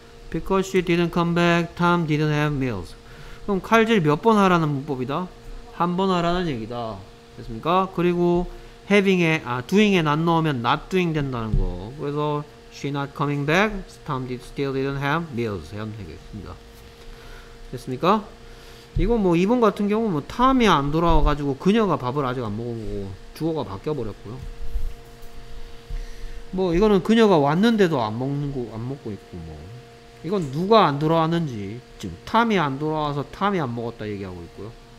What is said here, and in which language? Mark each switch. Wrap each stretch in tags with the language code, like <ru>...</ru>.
<en>Because she didn't come back, Tom didn't have meals.</en> <ko>그럼 칼질 몇 번 하라는 문법이다? 한 번 하라는 얘기다. 됐습니까? 그리고 having에, 아, doing에 not 넣으면 not doing 된다는 거.</ko> <en>그래서 she not coming back, Tom still didn't have meals.</en> <ko>하면 되겠습니다. 됐습니까? 이거 뭐 2번 같은 경우는 뭐 Tom이 안 돌아와가지고 그녀가 밥을 아직 안 먹은 거고 주어가 바뀌어버렸고요. 뭐 이거는 그녀가 왔는데도 안 먹는 거, 안 먹고 있고 뭐. 이건 누가 안 돌아왔는지 지금 탐이 안 돌아와서 탐이 안 먹었다 얘기하고 있고요.</ko>